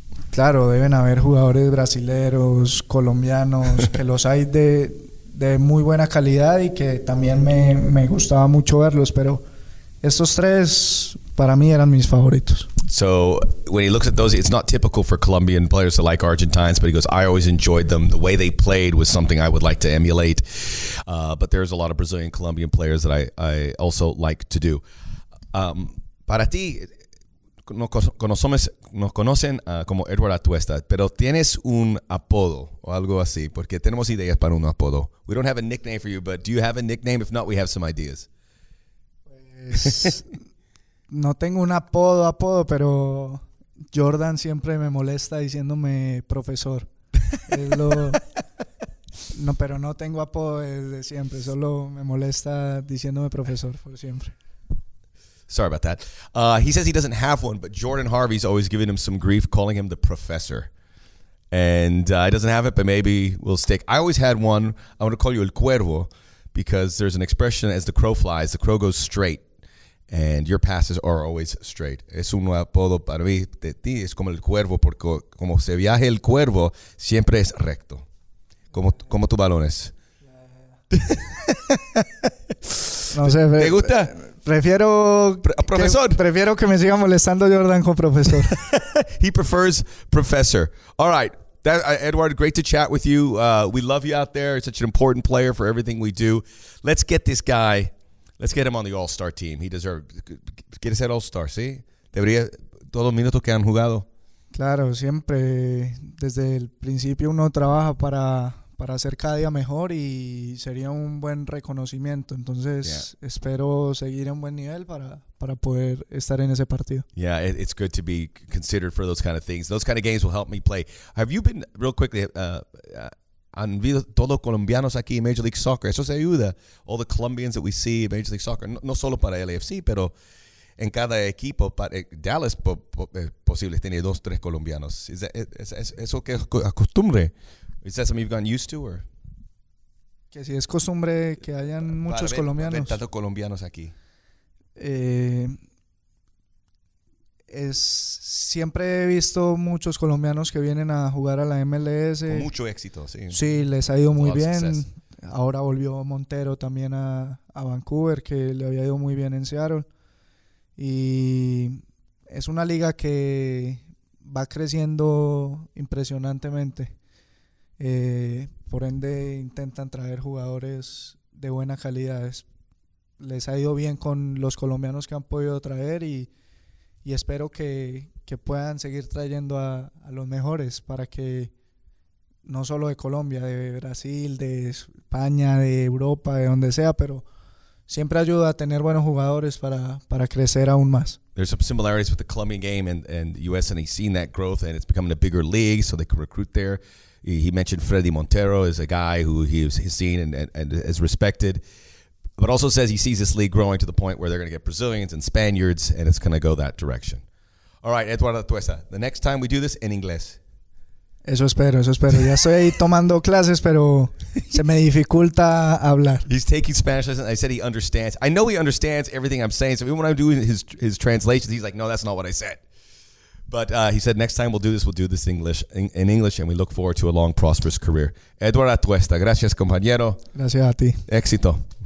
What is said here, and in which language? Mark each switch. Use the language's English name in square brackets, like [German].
[Spanish] Claro, deben haber jugadores brasileros, colombianos, que los hay de muy buena calidad y que también me gustaba mucho verlos, pero estos tres para mí eran mis favoritos. [English] So when he looks at those, it's not typical for Colombian players to like Argentines, but he goes, I always enjoyed them. The way they played was something I would like to emulate. But there's a lot of Brazilian Colombian players that I also like to do. [Spanish] Para ti, nos conocen como Edward Atuesta, pero tienes un apodo o algo así, porque tenemos ideas para un apodo. [English] We don't have a nickname for you, but do you have a nickname? If not, we have some ideas. [Spanish] No tengo un apodo, pero Jordan siempre me molesta diciéndome profesor. No, pero no tengo apodo desde siempre, solo me molesta diciéndome profesor por siempre. [English] Sorry about that. He says he doesn't have one, but Jordan Harvey's always giving him some grief, calling him the professor. And he doesn't have it, but maybe we'll stick. I always had one. I want to call you el cuervo because there's an expression as the crow flies, the crow goes straight. And your passes are always straight. [Spanish] Es un apodo para mí de ti. Es como el cuervo, porque como se viaja el cuervo, siempre es recto. Como tus balones. No sé. ¿Te gusta? Prefiero profesor. Prefiero que me siga molestando Jordan con profesor. [English] He prefers professor. All right. Edward, great to chat with you. We love you out there. He's such an important player for everything we do. Let's get this guy. Let's get him on the All-Star team. He deserves. [Spanish] Quiere ser All-Star, ¿sí? Debería todos los minutos que han jugado. Claro, siempre. Desde el principio uno trabaja para hacer cada día mejor y sería un buen reconocimiento. Entonces, yeah, espero seguir en buen nivel para poder estar en ese partido. [English] Yeah, it's good to be considered for those kind of things. Those kind of games will help me play. Have you been, real quickly, [Spanish] han visto todos colombianos aquí en Major League Soccer? Eso se ayuda. [English] All the Colombians that we see in [Spanish] Major League Soccer, no solo para LAFC, pero en cada equipo, Dallas posible tiene dos, tres colombianos. ¿Eso que es costumbre? [English] Is that something you've gotten used to, or? [Spanish] Que si es costumbre que hayan muchos colombianos. Para ver tantos colombianos aquí. Es siempre he visto muchos colombianos que vienen a jugar a la MLS. Con mucho éxito, sí. Sí, les ha ido muy bien. [English] Success. [Spanish] Ahora volvió Montero también a Vancouver, que le había ido muy bien en Seattle. Y es una liga que va creciendo impresionantemente. Por ende intentan traer jugadores de buena calidad. Les ha ido bien con los colombianos que han podido traer y espero que puedan seguir trayendo a los mejores para que no solo de Colombia, de Brasil, de España, de Europa, de donde sea, pero siempre ayuda a tener buenos jugadores para crecer aún más. [English] There's some similarities with the Colombian game and US, and he's seen that growth and it's becoming a bigger league so they can recruit there. He mentioned Freddy Montero is a guy who he's seen and is respected, but also says he sees this league growing to the point where they're going to get Brazilians and Spaniards, and it's going to go that direction. All right, Eduardo Tuesta, the next time we do this in English. [Spanish] Eso espero. Ya estoy ahí tomando clases, pero se me dificulta hablar. [English] He's taking Spanish lessons. I said he understands. I know he understands everything I'm saying, so even when I'm doing his translations, he's like, no, that's not what I said. But he said, next time we'll do this in English, and we look forward to a long, prosperous career. Eduardo Tuesta, [Spanish] gracias, compañero. Gracias a ti. Éxito.